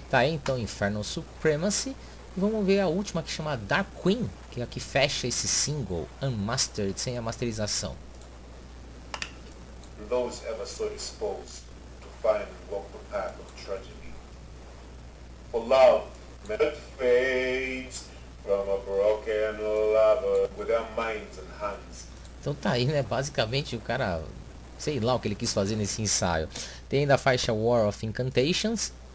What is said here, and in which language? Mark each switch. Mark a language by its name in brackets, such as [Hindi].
[Portuguese] Então Infernal Supremacy, e vamos ver a última, que chama Dark Queen, que é a que fecha esse single unmastered, sem a masterização. [English] those ever so disposed to find and walk the path of tragedy. For love that fades from a broken lover with their minds and hands. [Portuguese] Então tá aí, né? Basicamente o cara, sei lá o que ele quis fazer nesse ensaio. Tem ainda a faixa War of Incantations.